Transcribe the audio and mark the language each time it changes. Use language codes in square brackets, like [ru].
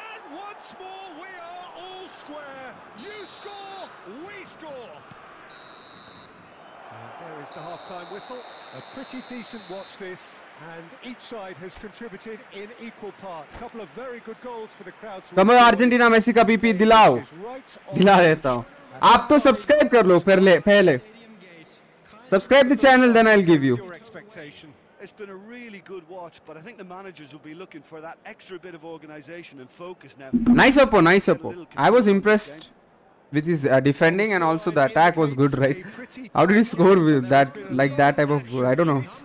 [en] And once more, we are all square. You score, we score. There is the halftime whistle. A pretty decent watch this, and each side has contributed in equal part. A couple of very good goals for the crowds. Come on, [hi] Argentina, Messi का BP दिलाओ. दिला देता who. आप तो subscribe कर लो पहले. [en] Subscribe the channel, then I'll give you. It's been a really good watch, but I think the managers will be looking for that extra bit of organization and focus now. Nice oppo. I was impressed with his defending, and also the attack was good, right? How did he score with that, like that type of goal? I don't know.